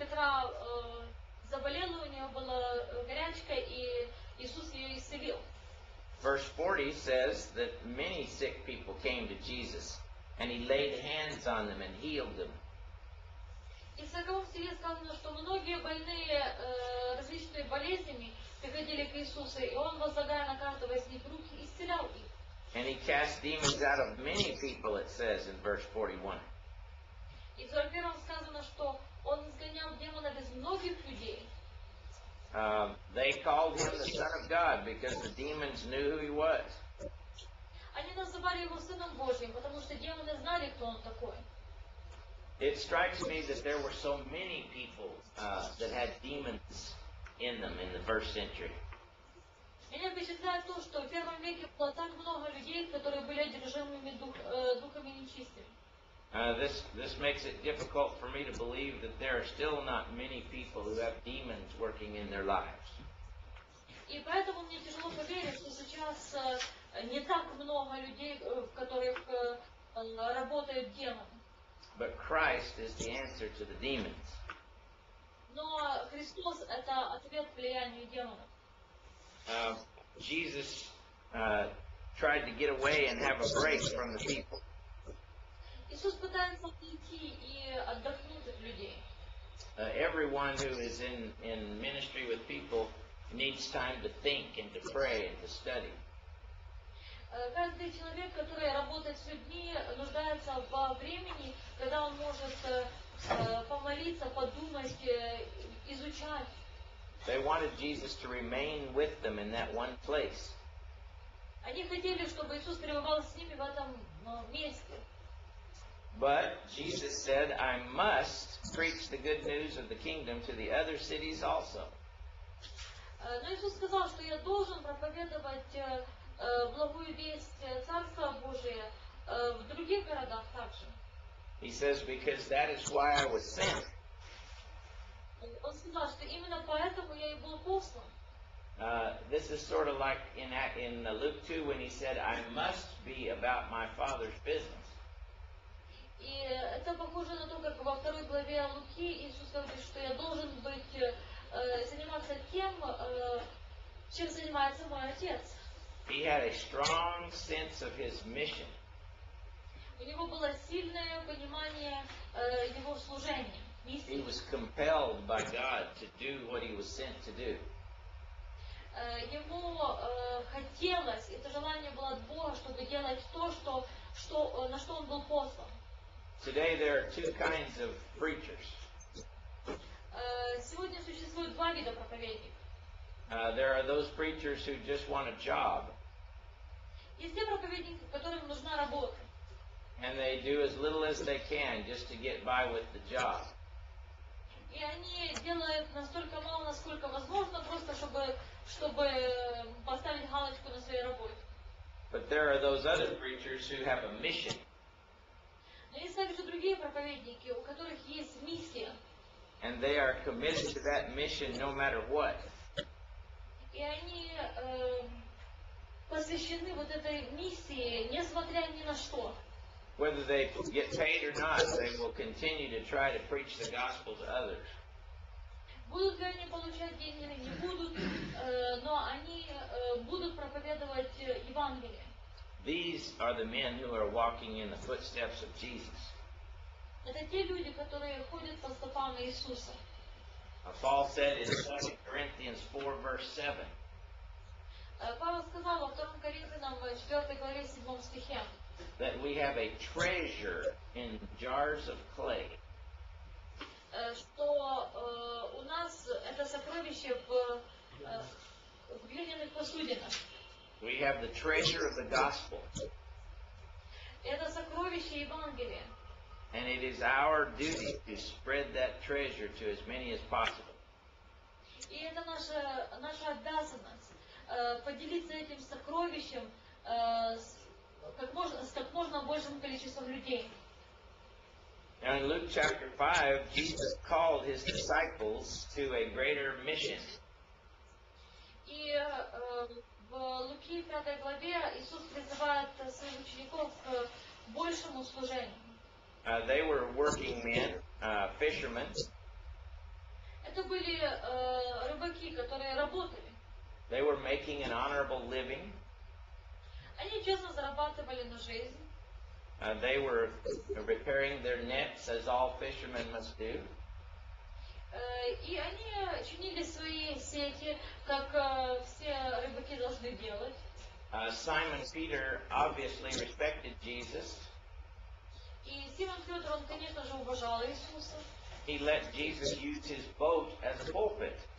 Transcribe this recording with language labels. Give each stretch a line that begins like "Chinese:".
Russian: Петра заболела, у нее была горячка, и Иисус ее исцелил.
English: Verse 40 says that many sick people came to Jesus, and he laid hands on them and healed them.
Russian: И в 40 стихе сказано, что многие больные различными болезнями приходили к Иисусу, и он, возлагая на каждого из них руки, исцелял их.
English: And he cast demons out of many people, it says in verse 41.
Russian: И в 41 сказано, что он изгонял демонов из многих людей.
English: They called him the Son of God because the demons knew who he was.
Russian: Они называли его Сыном Божьим, потому что демоны знали, кто он такой.
English: It strikes me that there were so many people that had demons in them in the first century.
Russian: Меня впечатляет то, что в первом веке было так много людей, которые были одержимыми духами нечистыми.
English: This makes it difficult for me to believe that there are still not many people who have demons working in their lives.
Russian: И поэтому мне тяжело поверить, что сейчас не так много людей, в которых работают демоны.
English: But Christ is the answer to the demons.
Russian: Но Христос — это ответ влиянию демонов.
English: Jesus tried to get away and have a break from the people.
Russian: Иисус пытается уйти и отдохнуть от людей.
English: Everyone who is in ministry with people needs time to think and to pray and to study.
Russian: Каждый человек, который работает с людьми, нуждается во времени, когда он может помолиться, подумать, изучать.
English: They wanted Jesus to remain with them in that one place.
Russian: Они хотели, чтобы Иисус пребывал с ними в этом месте.
English: But Jesus said, I must preach the good news of the kingdom to the other cities also.
Russian: Но Иисус сказал, что я должен проповедовать благую весть Царства Божия в других городах также.
English: He says, because that is why I was sent.
Russian: Он сказал, что именно поэтому я и был послан.
English: This is sort of like in Luke 2 when he said, I must be about my father's business.
Russian: И это похоже на то, как во второй главе Луки Иисус говорит, что я должен быть заниматься тем, чем занимается мой отец.
English: He had a strong sense of his mission.
Russian: У него было сильное понимание его служения.
English: He was compelled by God to do what he was sent to do.
Russian: Ему хотелось, это желание было от Бога, чтобы делать то, на что он был послан.
English: Today there are two kinds of preachers.
Russian: Сегодня существует два вида проповедников.
English: There are those preachers who just want a job.
Russian: Есть те проповедники, которым нужна работа.
English: And they do as little as they can just to get by with the job.
Russian: И они делают настолько мало, насколько возможно, просто чтобы поставить галочку на своей работе.
English: But there are those other preachers who have a mission.
Russian: Но есть также другие проповедники, у которых есть миссия.
English: And they are committed to that mission no matter what.
Russian: И они посвящены вот этой миссии, несмотря ни на что.
English: Whether they get paid or not, they will continue to try to preach the gospel to others.
Russian: Будут ли они получать деньги или не будут, но они будут проповедовать Евангелие.
English: These are the men who are walking in the footsteps of Jesus.
Russian: Это те люди, которые ходят по стопам Иисуса.
English: Paul said in 2 Corinthians 4, verse 7.
Russian: Павел сказал во 2 Коринфянам 4 главе 7 стихе.
English: That we have a treasure in jars of clay.
Russian: Что у нас это сокровище в глиняных посудинах.
English: We have the treasure of the gospel.
Russian: Это сокровище Евангелия.
English: And it is our duty to spread that treasure to as many as possible.
Russian: И это наша обязанность поделиться этим сокровищем как можно большим количеством людей.
English: Now in Luke chapter 5, Jesus called his disciples to a greater mission.
Russian: И в Луки 5 главе Иисус призывает своих учеников к большему служению.
English: They were working men, fishermen.
Russian: Это были рыбаки, которые работали.
English: They were making an honorable living.
Russian: Они честно зарабатывали на жизнь.
English: They were repairing their nets, as all fishermen must do.
Russian: И они чинили свои сети, как все рыбаки должны делать.
English: Simon Peter obviously respected Jesus.
Russian: И Симон Петр, он, конечно же, уважал Иисуса.
English: He let Jesus use his boat as a pulpit.